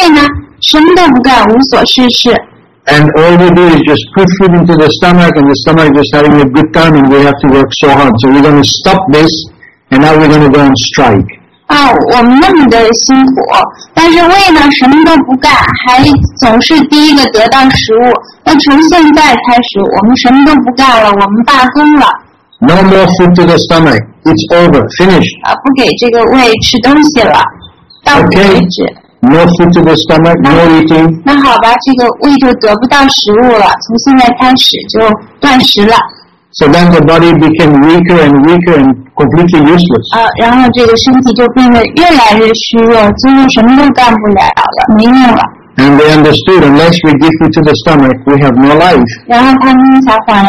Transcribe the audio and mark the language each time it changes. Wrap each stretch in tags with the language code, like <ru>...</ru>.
<zh>然后他们呢，就说呢，我们今天一天到晚累死累活的干，可是这个胃呢，什么都不干，无所事事。</zh> <en>And all we do is just put food into the stomach, and the stomach is just having a good time, and we have to work so hard. So we're going to stop this, and now we're going to go on strike.</en> <zh>啊，我们那么的辛苦，但是胃呢，什么都不干，还总是第一个得到食物。那从现在开始，我们什么都不干了，我们罢工了。</zh> <en>No more food to the stomach. It's over. Finished.</en> <zh>啊，不给这个胃吃东西了，到此为止。</zh> <en>No food to the stomach. No eating.</en> <zh>那好吧，这个胃就得不到食物了，从现在开始就断食了。</zh> <en>So then the body became weaker and weaker and completely useless.</en> <zh>然后这个身体就变得越来越虚弱，几乎什么都干不了了，没用了。</zh> <en>And they understood, unless we give food to the stomach, we have no life.</en>